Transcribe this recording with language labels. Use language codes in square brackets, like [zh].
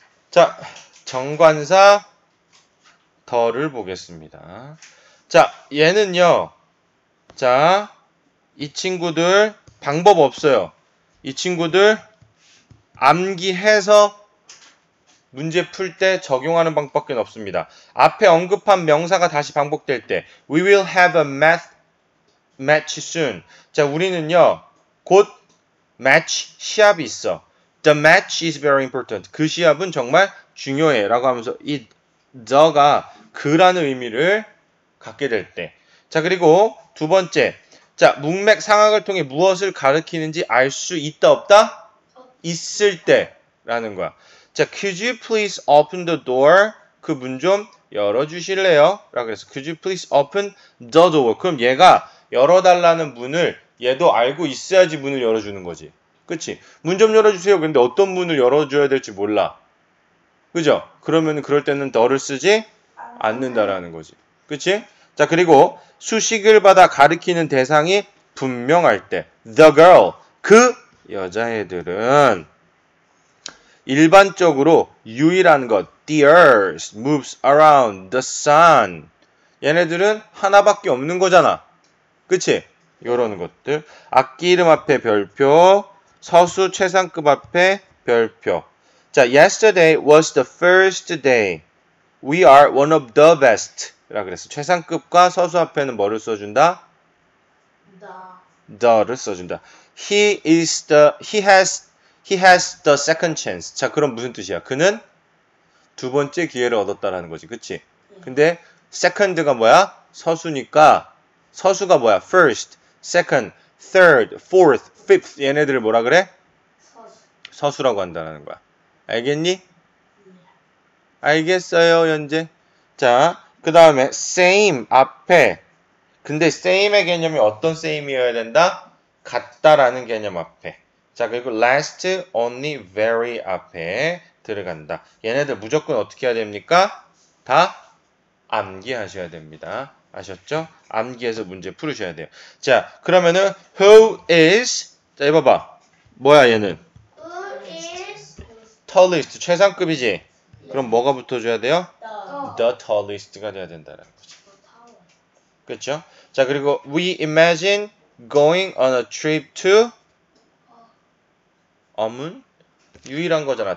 [ko] 자, 정관사 더를 보겠습니다. 자, 얘는요. 자, 이 친구들 방법 없어요. 이 친구들 암기해서 문제 풀 때 적용하는 방법밖에 없습니다. 앞에 언급한 명사가 다시 반복될 때 [en] We will have a math match soon. [ko] 자, 우리는요. 곧 match 시합이 있어. [en] The match is very important. [ko] 그 시합은 정말 중요해. 라고 하면서 이 the가 그라는 의미를 갖게 될 때. 자, 그리고 두 번째. 자, 문맥 상황을 통해 무엇을 가르치는지 알 수 있다 없다? 있을 때. 라는 거야. [en] 자, could you please open the door? [ko] 그 문 좀 열어주실래요? 라고 해서 [en] could you please open the door? [ko] 그럼 얘가 열어달라는 문을 얘도 알고 있어야지 문을 열어주는 거지. 그치? 문 좀 열어주세요. 근데 어떤 문을 열어줘야 될지 몰라. 그죠? 그러면 그럴 때는 더를 쓰지 않는다라는 거지. 그치? 자, 그리고 수식을 받아 가르치는 대상이 분명할 때 The girl, 그 여자애들은 일반적으로 유일한 것 [en] The earth moves around the sun [ko] 얘네들은 하나밖에 없는 거잖아. 그치? 요런 것들. 악기 이름 앞에 별표, 서수 최상급 앞에 별표. [en] 자, yesterday was the first day. We are one of the best. [ko] 라 그랬어. 최상급과 서수 앞에는 뭐를 써준다? [en] The. [ko] The를 써준다. [en] He has the second chance. [ko] 자, 그럼 무슨 뜻이야? 그는 두 번째 기회를 얻었다라는 거지. 그치? 근데 second가 뭐야? 서수니까 서수가 뭐야? [en] First, second, third, fourth, fifth [ko] 얘네들을 뭐라 그래? 서수라고 한다는 거야. 알겠니? 네. 알겠어요, 연재. 자, 그 다음에 same 앞에 근데 same의 개념이 어떤 same이어야 된다? 같다라는 개념 앞에. 자, 그리고 last, only, very 앞에 들어간다. 얘네들 무조건 어떻게 해야 됩니까? 다 암기하셔야 됩니다. 아셨죠? 암기해서 문제 풀으셔야 돼요. 자, 그러면은 who is 자, 이봐 봐. 뭐야 얘는? [en] Who is [ko] tallest 최상급이지. 네. 그럼 뭐가 붙어 줘야 돼요? [en] The [ko] tallest가 돼야 된다라는 거죠. 그렇죠? [en] 자, 그리고 we imagine going on a trip to [ko] 어문 유일한 거잖아.